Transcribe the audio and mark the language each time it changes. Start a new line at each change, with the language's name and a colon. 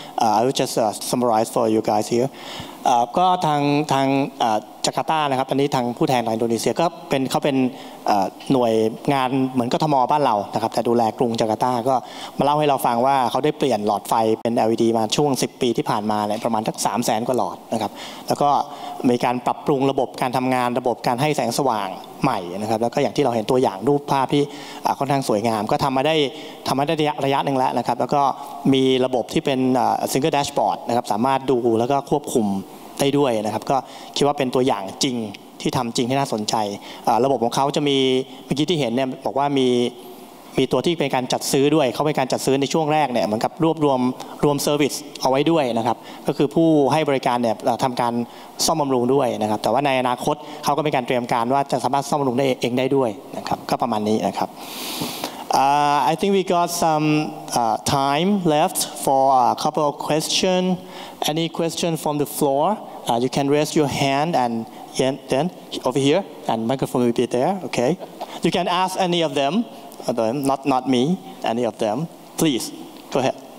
English: I will just summarize for you guys here.
Thai: ก็ทางจาการ์ตานะครับอันนี้ทางผู้แทนในอินโดนีเซียก็เขาเป็นหน่วยงานเหมือนกทม. บ้านเรานะครับแต่ดูแลกรุงจาการ์ตาก็มาเล่าให้เราฟังว่าเขาได้เปลี่ยนหลอดไฟเป็น LED มาช่วง10ปีที่ผ่านมาเนี่ยประมาณสัก 300,000 กว่าหลอดนะครับแล้วก็มีการปรับปรุงระบบการทำงานระบบการให้แสงสว่างใหม่นะครับแล้วก็อย่างที่เราเห็นตัวอย่างรูปภาพที่ค่อนข้างสวยงามก็ทำมาได้ ระยะนึงแล้วนะครับแล้วก็มีระบบที่เป็นsingle dashboard นะครับสามารถดูแล้วก็ควบคุมได้ด้วยนะครับก็คิดว่าเป็นตัวอย่างจริงที่ทำจริงที่น่าสนใจระบบของเขาจะมีเมื่อกี้ที่เห็นเนี่ยบอกว่ามีตัวที่เป็นการจัดซื้อด้วยเขาเป็นการจัดซื้อในช่วงแรกเนี่ยเหมือนกับรวมเซอร์วิสเอาไว้ด้วยนะครับก็คือผู้ให้บริการเนี่ยทำการซ่อมบำรุงด้วยนะครับแต่ว่าในอนาคตเขาก็มีการเตรียมการว่าจะสามารถซ่อมบำรุงได้เองได้ด้วยนะครับก็ประมาณนี้นะครับ
English: I think we got some time left for a couple of questions. Any question from the floor? You can raise your hand and then over here, and microphone will be there. Okay. You can ask any of them, not me, any of them. Please, go ahead.